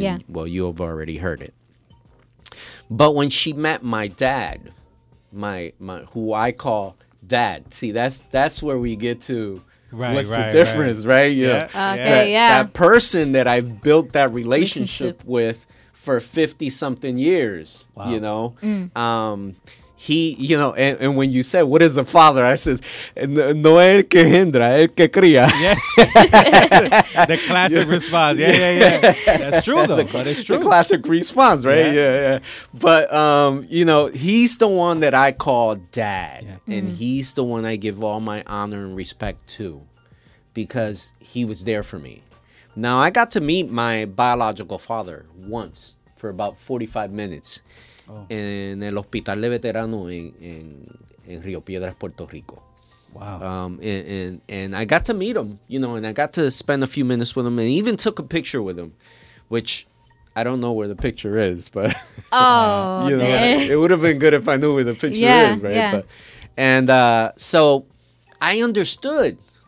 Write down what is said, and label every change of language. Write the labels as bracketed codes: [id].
[en] Well, you have already heard it. But when she met my dad, my who I call dad. See, that's where we get to what's the difference, right? Yeah. That person that I've built that relationship with for 50-something years, you know. Mm. He, you know, and when you said, what is a father? I says, [es] no el que hindra, el que cría. [en] Yeah. The classic response. Yeah. That's true, though. But it's true. The classic response, right? Yeah. But, you know, he's the one that I call dad. Yeah. And he's the one I give all my honor and respect to because he was there for me. Now, I got to meet my biological father once for about 45 minutes. Oh. [es] En el hospital de veteranos en Río Piedras, Puerto Rico. [en] Wow. And I got to meet him, you know, and I got to spend a few minutes with him and even took a picture with him, which I don't know where the picture is, but you know, it would have been good if I knew where the picture is, right? Yeah. But, and so I understood